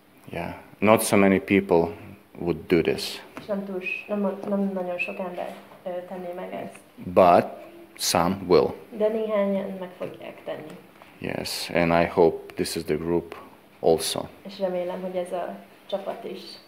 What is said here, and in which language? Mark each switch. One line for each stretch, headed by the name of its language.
English: Yeah, not so many people would do this.
Hungarian: És nem nagyon sok ember tenné meg ezt.
English: But some will.
Hungarian: De néhányan meg fogják tenni.
English: Yes, and I hope this is the group also.
Hungarian: És remélem, hogy ez a csapat is.